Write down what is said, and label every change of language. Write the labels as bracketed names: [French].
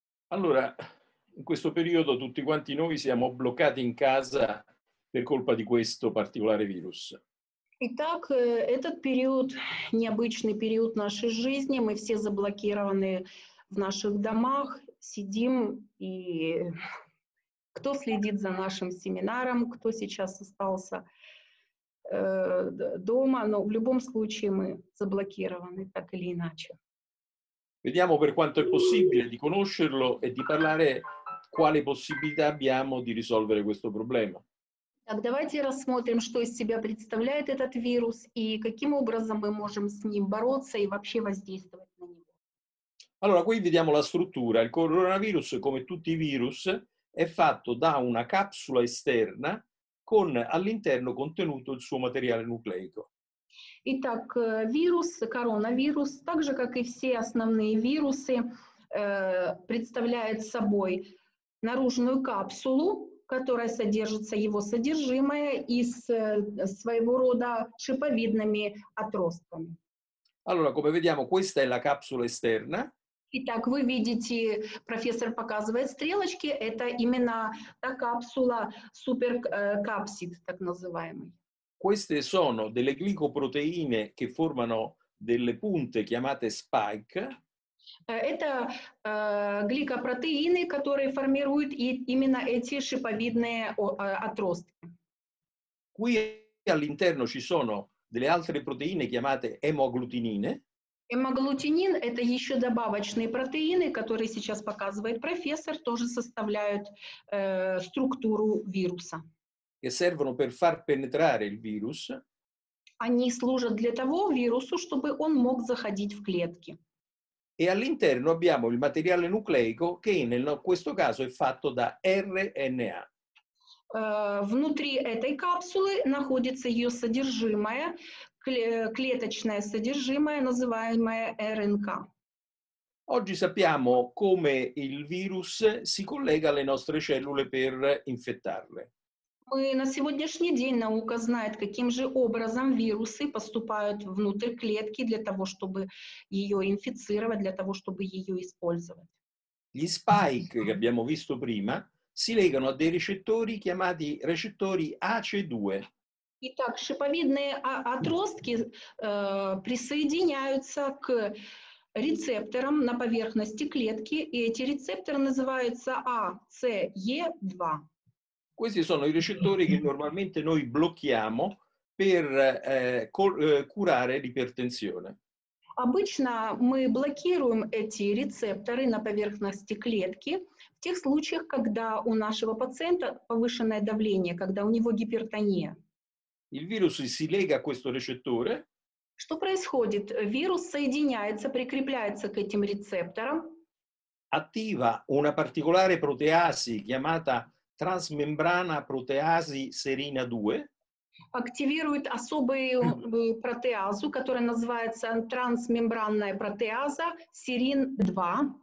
[Italian] Allora, in questo periodo tutti quanti noi siamo bloccati in casa per colpa di questo particolare virus. [Russian] Итак, этот период, необычный период нашей жизни, мы все заблокированы в наших домах, сидим, и кто следит за нашим семинаром, кто сейчас остался дома, но в любом случае мы заблокированы, так или иначе. [Italian] Vediamo per quanto è possibile di conoscerlo e di parlare quale possibilità abbiamo di risolvere questo problema. [Russian] Так, давайте рассмотрим, что из себя представляет этот вирус и каким образом мы можем с ним бороться и вообще воздействовать на него. [Italian] Allora, qui vediamo la struttura. Il coronavirus, come tutti i virus, è fatto da una capsula esterna con all'interno contenuto il suo materiale nucleico. [Russian] Итак, вирус, коронавирус, так же, как и все основные вирусы, представляет собой наружную капсулу, которая содержится его содержимое и с своего рода шиповидными отростками. [Italian] Allora, come vediamo, questa è la capsula esterna. [Russian] Итак, вы видите, профессор показывает стрелочки, это именно та капсула, суперкапсид, так называемый. [Italian] Queste sono delle glicoproteine che formano delle punte chiamate spike. [Russian] Это гликопротеины, которые формируют именно эти шиповидные отростки. [Italian] Qui all'interno ci sono delle altre proteine chiamate emoglutinine. [Russian] Эмоглутинин – это еще добавочные протеины, которые сейчас показывает профессор, тоже составляют структуру вируса. [Italian] Che servono per far penetrare il virus. [Russian] Они служат для того вирусу, чтобы он мог заходить в клетки. [Italian] E all'interno abbiamo il materiale nucleico che in questo caso è fatto da RNA. [Russian] Внутри этой капсулы находится ее содержимое, клеточное содержимое, называемое РНК. [Italian] Oggi sappiamo come il virus si collega alle nostre cellule per infettarle. [Russian] Мы на сегодняшний день наука знает, каким же образом вирусы поступают внутрь клетки для того, чтобы ее инфицировать, для того, чтобы ее использовать. [Italian] Gli spike, che abbiamo visto prima, si legano a dei recettori chiamati recettori ACE2. [Russian] Итак, шиповидные отростки присоединяются к рецепторам на поверхности клетки, и эти рецепторы называются ACE2. [Italian] Questi sono i recettori che normalmente noi blocchiamo per curare l'ipertensione. [Russian] Обычно мы блокируем эти рецепторы на поверхности клетки в тех случаях, когда у нашего пациента повышенное давление, когда у него гипертония. [Italian] Il virus si lega a questo recettore. [Russian] Что происходит? Вирус соединяется, прикрепляется к этим рецепторам. [Italian] Attiva una particolare proteasi chiamata Transmembrana proteasi serina 2. [Russian] Активирует особую протеазу, которая называется трансмембранная протеаза серин 2.